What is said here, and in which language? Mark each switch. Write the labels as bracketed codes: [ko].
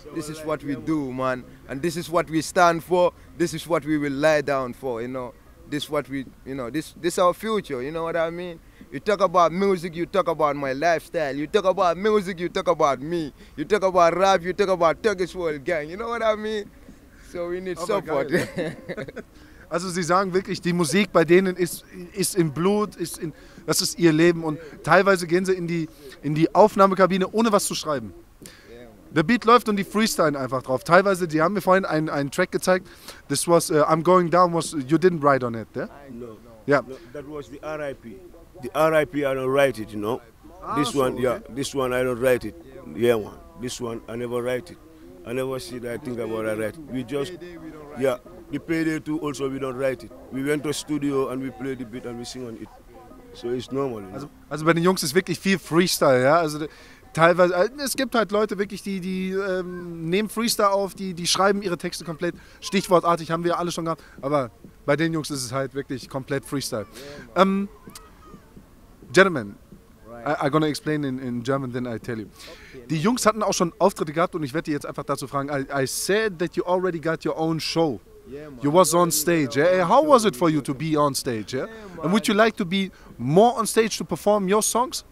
[en] This is what we do, man. And this is what we stand for. This is what we will lie down for, you know. This what we, you know, this our future, you know what I mean? You talk about music, you talk about my lifestyle. You talk about music, you talk about me. You talk about rap, you talk about Turkish World Gang, you know what I mean? So we need support. [de] Also sie sagen wirklich, die Musik bei denen ist im Blut, das ist ihr Leben. Und teilweise gehen sie in die Aufnahmekabine, ohne was zu schreiben. Der Beat läuft und die freestylen einfach drauf. Teilweise, die haben mir vorhin einen Track gezeigt. [en] This was, I'm Going Down, was you didn't write on it, yeah? No. Yeah. No, that was the R.I.P. The R.I.P. I don't write it, you know. This one, I don't write it. Yeah, one. This one, I never write it. I never see that, I think about it, I write. We just, yeah. The Payday 2 also, we don't write it. We went to a studio and we play the beat and we sing on it. So it's normal. [de] Also, bei den Jungs ist wirklich viel Freestyle, ja? Also teilweise, es gibt halt Leute wirklich, die nehmen Freestyle auf, die schreiben ihre Texte komplett stichwortartig, haben wir alle schon gehabt. Aber bei den Jungs ist es halt wirklich komplett Freestyle. [en] Yeah, gentlemen, right. I'm gonna explain in German, then I tell you. [de] Die Jungs hatten auch schon Auftritte gehabt und ich werde jetzt einfach dazu fragen, [en] I said that you already got your own show. Yeah, you was on stage. Yeah? How was it for you to be on stage? Yeah? And would you like to be more on stage to perform your songs?